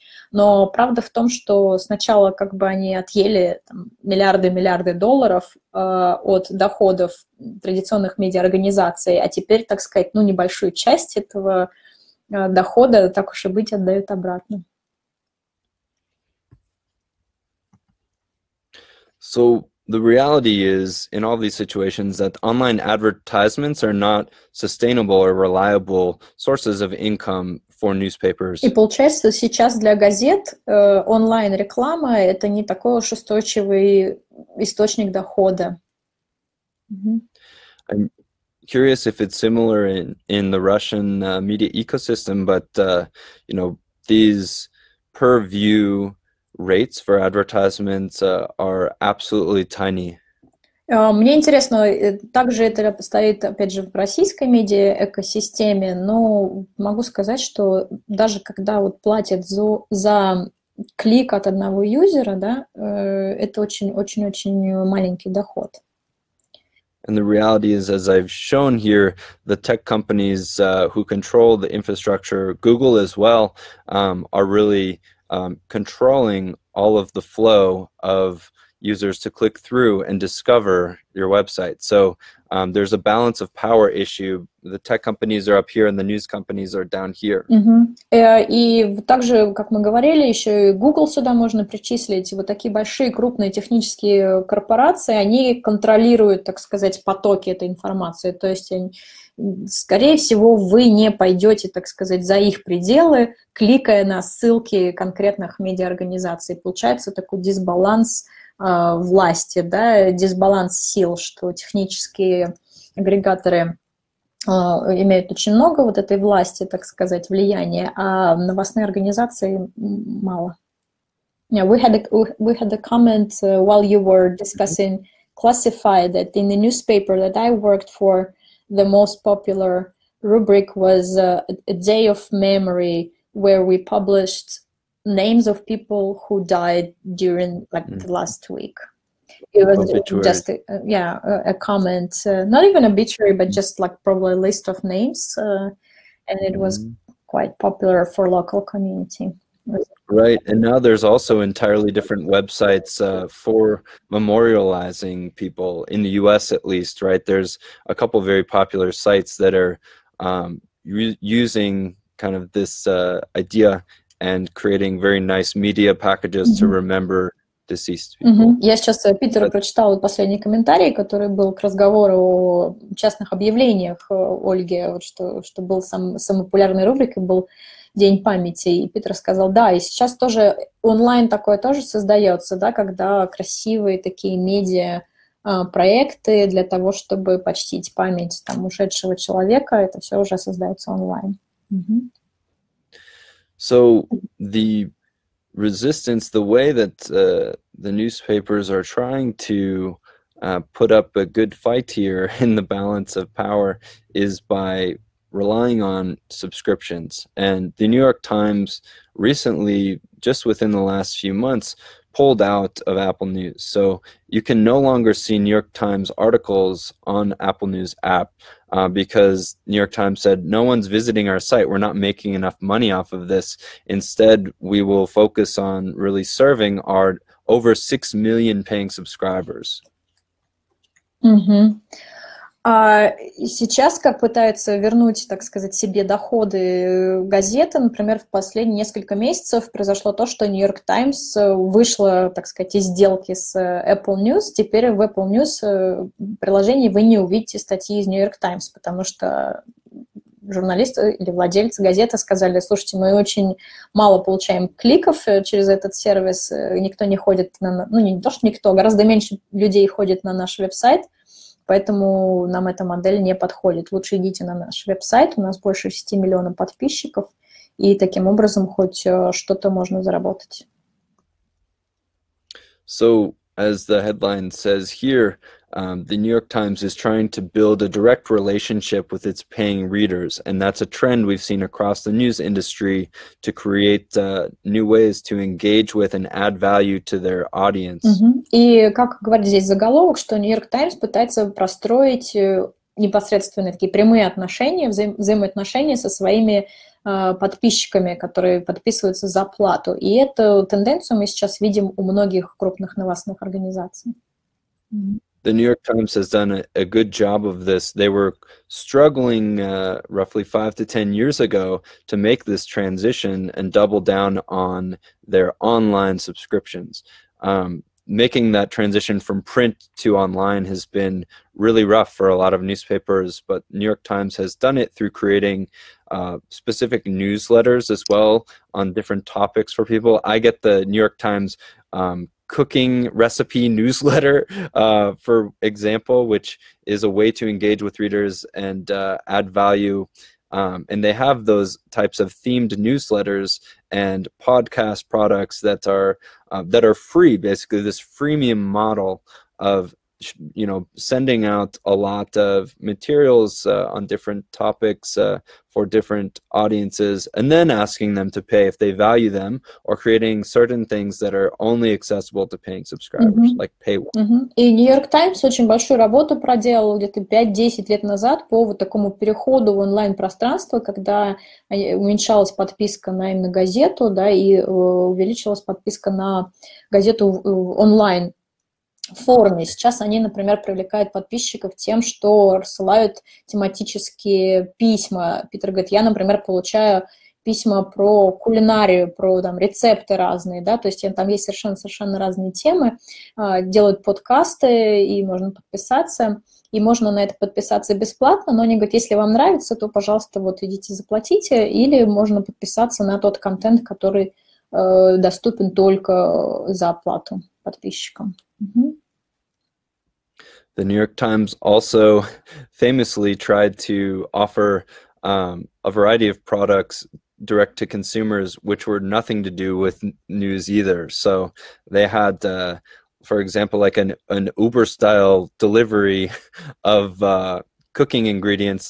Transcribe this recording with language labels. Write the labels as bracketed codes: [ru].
[ru] Но правда в том, что сначала как бы они отъели миллиарды-миллиарды долларов от доходов традиционных медиаорганизаций, а теперь, так сказать, ну, небольшую часть этого дохода, так уж и быть, отдают обратно. [en] So the reality is, in all these situations, that online advertisements are not sustainable or reliable sources of income for newspapers. [ru] И получается, сейчас для газет онлайн-реклама — это не такой уж устойчивый источник дохода. Mm-hmm. [en] Curious if it's similar in the Russian media ecosystem, but you know, these per view rates for advertisements are absolutely tiny. [ru] Мне интересно, также это стоит опять же в российской медиа экосистеме, но могу сказать, что даже когда вот платят за клик от одного юзера, да, это очень маленький доход. [en] And the reality is, as I've shown here, the tech companies who control the infrastructure, Google as well, are really controlling all of the flow of users to click through and discover your website. So there's a balance of power issue. The tech companies are up here and the news companies are down here. [ru] И также, как мы говорили, еще и Google сюда можно причислить. Вот такие большие, крупные технические корпорации, они контролируют, так сказать, потоки этой информации. То есть, скорее всего, вы не пойдете, так сказать, за их пределы, кликая на ссылки конкретных медиаорганизаций. Получается такой дисбаланс власти, да, дисбаланс сил, что технические агрегаторы имеют очень много вот этой власти, так сказать, влияния, а новостные организации мало. [en] Yeah, we had a comment while you were discussing classified that in the newspaper that I worked for, the most popular rubric was a day of memory, where we published names of people who died during like the last week. It was obituary. Just a comment, not even obituary, but just like probably a list of names, and it was quite popular for local community. Right, and now there's also entirely different websites for memorializing people in the U.S. at least, right? There's a couple very popular sites that are using kind of this idea and creating very nice media packages to remember deceased people. Mm-hmm. [ru] Я сейчас Питера прочитала последний комментарий, который был к разговору о частных объявлениях Ольги, вот что был самой популярной рубрикой, был День памяти, и Питер сказал, да, и сейчас тоже онлайн такое тоже создается, да, когда красивые такие медиа проекты для того, чтобы почтить память там ушедшего человека, это все уже создается онлайн. Mm-hmm. [en] So the resistance, the way that the newspapers are trying to put up a good fight here in the balance of power is by relying on subscriptions. And the New York Times recently, just within the last few months, pulled out of Apple News. So you can no longer see New York Times articles on Apple News app because New York Times said, no one's visiting our site. We're not making enough money off of this. Instead, we will focus on really serving our over 6 million paying subscribers. Mm-hmm. [ru] А сейчас как пытаются вернуть, так сказать, себе доходы газеты, например, в последние несколько месяцев произошло то, что New York Times вышла, так сказать, из сделки с Apple News. Теперь в Apple News приложении вы не увидите статьи из New York Times, потому что журналисты или владельцы газеты сказали, слушайте, мы очень мало получаем кликов через этот сервис, никто не ходит на... Ну, не то, что никто, гораздо меньше людей ходит на наш веб-сайт, поэтому нам эта модель не подходит. Лучше идите на наш веб-сайт, у нас больше 6 миллионов подписчиков, и таким образом хоть что-то можно заработать. [en] So, as the headline says here, the New York Times is trying to build a direct relationship with its paying readers, and that's a trend we've seen across the news industry to create new ways to engage with and add value to their audience. Uh-huh. [ru] И как говорит здесь заголовок, что New York Times пытается простроить непосредственные такие прямые отношения, взаимоотношения со своими подписчиками, которые подписываются за плату. И эту тенденцию мы сейчас видим у многих крупных новостных организаций. Uh-huh. [en] The New York Times has done a good job of this. They were struggling roughly 5 to 10 years ago to make this transition and double down on their online subscriptions. Making that transition from print to online has been really rough for a lot of newspapers, but New York Times has done it through creating specific newsletters as well on different topics for people. I get the New York Times cooking recipe newsletter, for example, which is a way to engage with readers and add value. And they have those types of themed newsletters and podcast products that are free, basically this freemium model of, you know, sending out a lot of materials on different topics for different audiences and then asking them to pay if they value them or creating certain things that are only accessible to paying subscribers, mm-hmm. like paywall. Mm-hmm. [ru] И New York Times очень большую работу проделал где-то 5-10 лет назад по вот такому переходу в онлайн-пространство, когда уменьшалась подписка на именно газету, да, и увеличилась подписка на газету онлайн. Формы. Сейчас они, например, привлекают подписчиков тем, что рассылают тематические письма. Питер говорит, я, например, получаю письма про кулинарию, про там рецепты разные, да, то есть там есть совершенно разные темы, делают подкасты, и можно подписаться, и можно на это подписаться бесплатно, но они говорят, если вам нравится, то, пожалуйста, вот идите заплатите, или можно подписаться на тот контент, который доступен только за оплату подписчикам. Mm-hmm. [en] The New York Times also famously tried to offer a variety of products direct to consumers, which were nothing to do with news either. So they had, for example, like an Uber-style delivery of cooking ingredients.